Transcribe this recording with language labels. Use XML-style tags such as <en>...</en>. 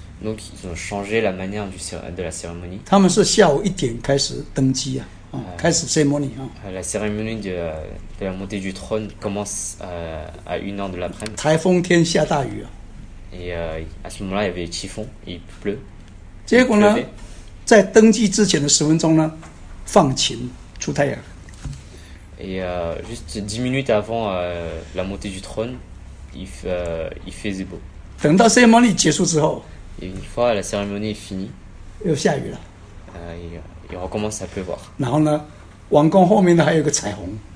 <fr>Donc ils ont changé la manière de la cérémonie.</fr> <zh>他们是下午1点开始登基啊,</zh> <fr>Cérémonie, la cérémonie de la montée du trône commence à 1h de l'après-midi.</fr> <zh>台风天下大雨,</zh> <fr>et à ce moment-là, il y avait typhon, il pleut.</fr> <zh>结果呢, 在登记之前的10分钟呢, 放晴, 出太阳.</zh> <fr>Et juste 10 minutes avant la montée du trône, il faisait beau.</fr> <zh>等到 cérémonie 结束之后,</zh> <fr>et une fois la cérémonie est finie,</fr> <zh>又下雨了.</zh> <fr>Il recommence à pleuvoir.</fr> <zh>然后呢, 王宫后面呢还有个彩虹.</zh>